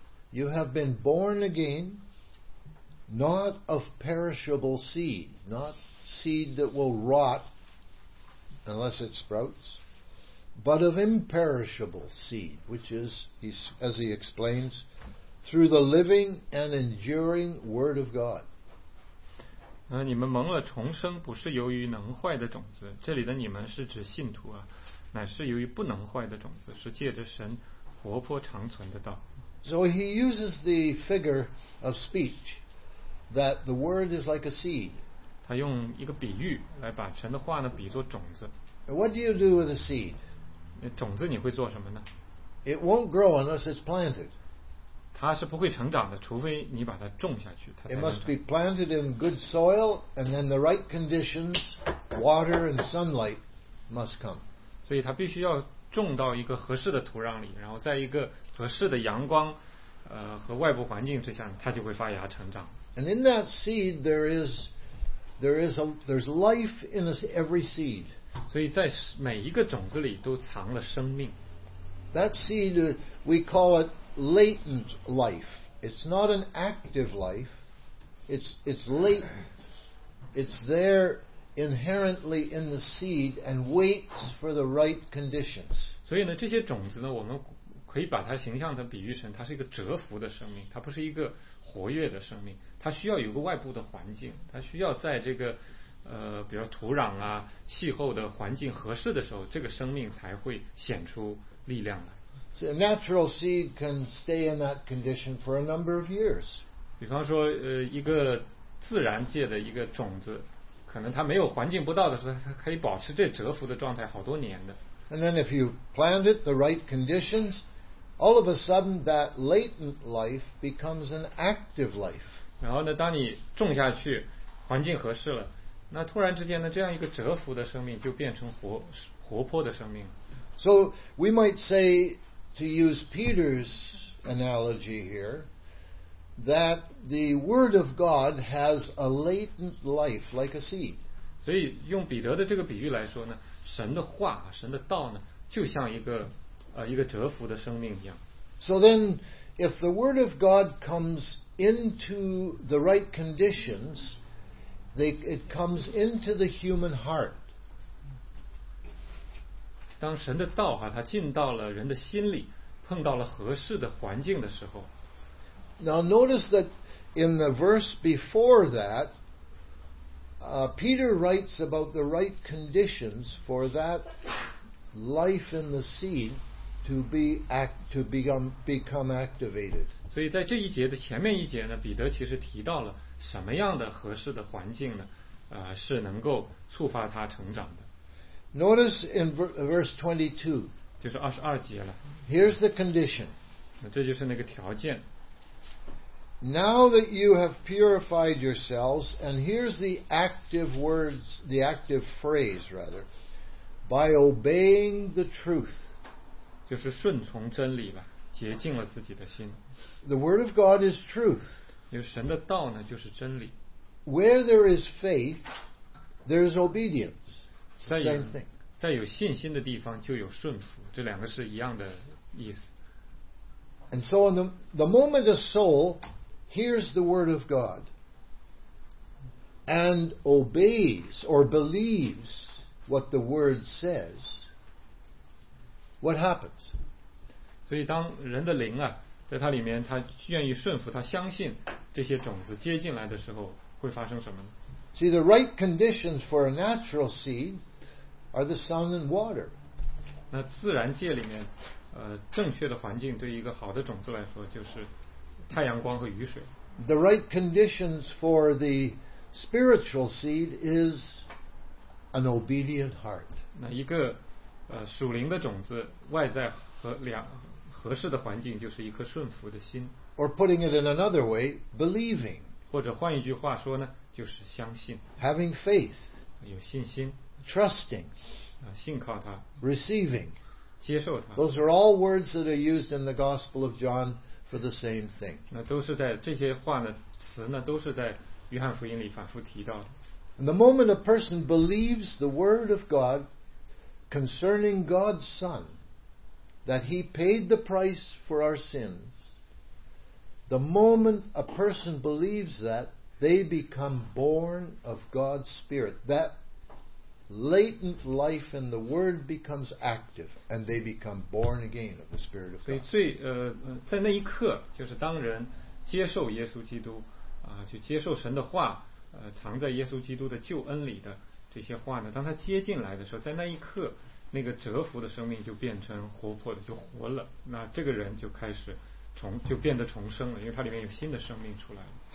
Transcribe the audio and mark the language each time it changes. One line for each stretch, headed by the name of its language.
English: You have been born again, not of perishable seed, not seed that will rot unless it sprouts, but of imperishable seed, which is, as he explains, through the living and enduring word of God.
Chinese: 你们蒙了重生，不是由于能坏的种子。这里的你们是指信徒啊，乃是由于不能坏的种子，是借着神活泼长存的道。
English: So he uses the figure of speech that the word is like a seed.
Chinese: 他用一个比喻来把神的话呢比作种子。
English: What do you do with a seed?
Chinese: 种子你会做什么呢
English: ？It won't grow unless it's planted.
Chinese: 它是不会成长的，除非你把它种下去。
English: It must be planted in good soil, and then the right conditions, water and sunlight, must come.
Chinese: 所以它必须要种到一个合适的土壤里，然后在一个合适的阳光，和外部环境之下，它就会发芽成长。
English: And in that seed, there's life in every seed.
Chinese: 所以在每一个种子里都藏了生命。
English: That seed, we call it. Latent life. It's not an active life. It's latent. It's there inherently in the seed and waits for the right conditions.
Chinese: 所以呢，这些种子呢，我们可以把它形象的比喻成，它是一个蛰伏的生命，它不是一个活跃的生命，它需要有个外部的环境，它需要在这个比如土壤啊、气候的环境合适的时候，这个生命才会显出力量来。
English: So a natural seed can stay in that condition for a number of years.
Chinese: 比方说，一个自然界的一个种子，可能它没有环境不到的时候，它可以保持这蛰伏的状态好多年的。
English: And then, if you plant it the right conditions, all of a sudden that latent life becomes an active life.
Chinese: 然后呢，当你种下去，环境合适了，那突然之间呢，这样一个蛰伏的生命就变成活泼的生命。
English: So we might say. To use Peter's analogy here, that the Word of God has a latent life like a seed.
Chinese: 所以用彼得的这个比喻来说呢，神的话神的道呢就像一个一个蛰伏的生命一样。
English: So then if the word of God comes into the right conditions, it comes into the human heart.
Chinese: 当神的道啊它进到了人的心里碰到了合适的环境的时候。
English: Now notice that in the verse before that,Peter writes about the right conditions for that life in the seed to be become activated.
Chinese: 所以在这一节的前面一节呢，彼得其实提到了什么样的合适的环境呢？是能够触发他成长的。
English: Notice in verse 22.
Chinese: 就是二十二节了。
English: Here's the condition.
Chinese: 这就是那个条件。
English: Now that you have purified yourselves, and here's the active words, the active phrase rather, by obeying the truth.
Chinese: 就是顺从真理吧，洁净了自己的心。
English: The word of God is truth.
Chinese: 因为神的道呢，就是真理。
English: Where there is faith, there is obedience. Same thing.
Chinese: 在有信心的地方就有顺服，这两个是一样的意思。
English: And so in the moment a soulhears the word of God and obeys or believes what the word says, what happens?
Chinese: 所以当人的灵啊在他里面他愿意顺服他相信这些种子接进来的时候会发生什么呢？
English: See, the right conditions for a natural seed are the sun and water.
Chinese: 那自然界里面正确的环境对一个好的种子来说就是太阳光和雨水。
English: The right conditions for the spiritual seed is an obedient heart.
Chinese: 那一个属灵的种子，外在和两合适的环境就是一颗顺服的心。
English: Or putting it in another way, believing.
Chinese: 或者换一句话说呢，就是相信。
English: Having faith.
Chinese: 有信心。
English: Trusting.
Chinese: 信靠他。
English: Receiving.
Chinese: 接受他。
English: Those are all words that are used in the Gospel of John. For the same thing.
Chinese: 那都是在这些话呢词呢都是在约翰福音里反复提到的。
English: And the moment a person believes the word of God concerning God's Son, that he paid the price for our sins, the moment a person believes that, they become born of God's Spirit. That latent life in the word becomes active and they become born again of the Spirit of God.
Chinese: 所以在那一刻就是当人接受耶稣基督就接受神的话藏在耶稣基督的救恩里的这些话呢当他接进来的时候在那一刻那个蛰伏的生命就变成活泼的就活了那这个人就开始就变得重生了因为他里面有新的生命出来了。